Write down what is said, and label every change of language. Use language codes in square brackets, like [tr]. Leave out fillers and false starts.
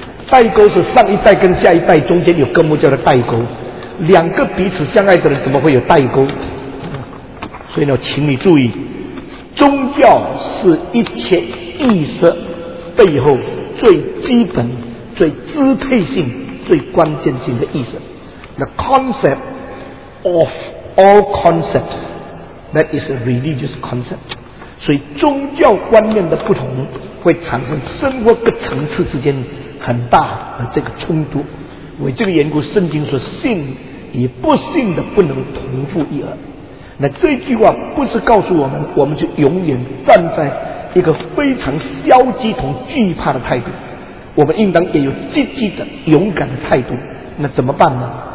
[zh] 代沟是上一代跟下一代中间有根木叫的代沟，两个彼此相爱的人怎么会有代沟？所以呢，请你注意，宗教是一切意识背后最基本、最支配性、最关键性的意识。 [en] The concept of all concepts that is a religious concept。 [zh] 所以宗教观念的不同会产生生活各层次之间很大的这个冲突。为这个缘故，圣经说信与不信的不能同父一儿。那这句话不是告诉我们我们就永远站在一个非常消极同惧怕的态度，我们应当也有积极的勇敢的态度。那怎么办呢？